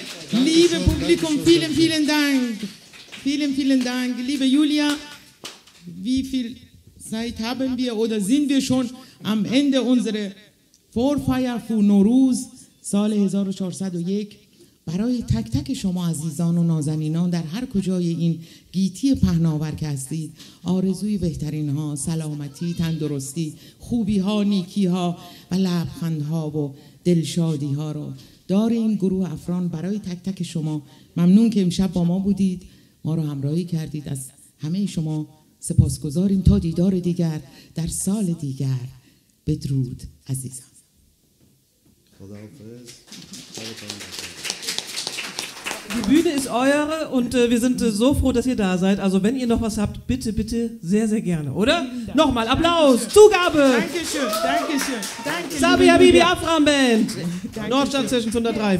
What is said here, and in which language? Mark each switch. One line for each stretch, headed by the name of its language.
German: Liebe Publikum, vielen, vielen Dank. Vielen, vielen Dank. Liebe Julia, wie viel Zeit haben wir oder sind wir schon am Ende unserer Vorfeier für Nowruz,
Persian: سال 1401. برای تک تک شما عزیزان و نازنینان در هر کجای این گیتی پهناور که هستید آرزوی بهترین ها، سلامتی، تندرستی، خوبی ها، نیکی ها و لبخند ها و دلشادی ها رو داریم گروه افران برای تک تک شما ممنون که امشب با ما بودید ما رو همراهی کردید از همه شما سپاسگزاریم تا دیدار دیگر در سال دیگر بدرود عزیزم خداحافظ
German: Die Bühne ist eure und wir sind so froh, dass ihr da seid. Also wenn ihr noch was habt, bitte, bitte sehr, sehr gerne, oder? Nochmal Applaus, Dankeschön. Zugabe! Dankeschön, danke schön. Sabia Bibi Afram Band, Nordstadt Session 103.